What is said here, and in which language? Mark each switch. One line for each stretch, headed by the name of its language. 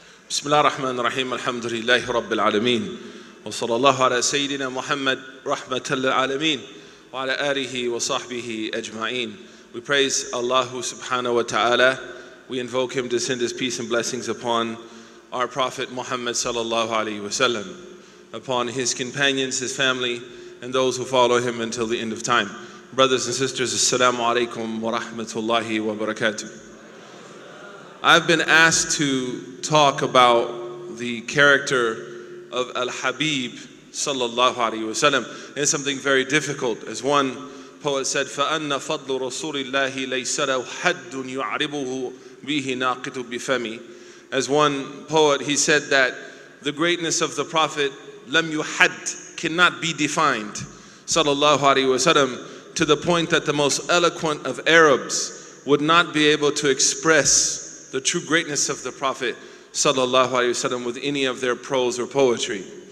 Arabic: بسم الله الرحمن الرحيم الحمد لله رب العالمين وصلى الله على سيدنا محمد رحمة للعالمين وعلى آله وصحبه أجمعين.
English: We praise Allah subhanahu wa ta'ala. We invoke him to send his peace and blessings upon our Prophet Muhammad sallallahu alayhi wa sallam, upon his companions, his family, and those who follow him until the end of time. Brothers and sisters, assalamu alaikum wa rahmatullahi wa barakatuh. I've been asked to talk about the character of Al-Habib sallallahu alayhi wa sallam. It's something very difficult. As one poet said,
Arabic: فَأَنَّ فَضْلُ رَسُولِ اللَّهِ لَيْسَ لَوْ حَدٌّ يُعْرِبُهُ بِهِ نَاقِتُ بِفَمِي.
English: As one poet, he said that the greatness of the Prophet
Arabic: لَمْ يُحَدْ
English: cannot be defined sallallahu alayhi wa sallam, to the point that the most eloquent of Arabs would not be able to express the true greatness of the Prophet sallallahu alayhi wa sallam with any of their prose or poetry.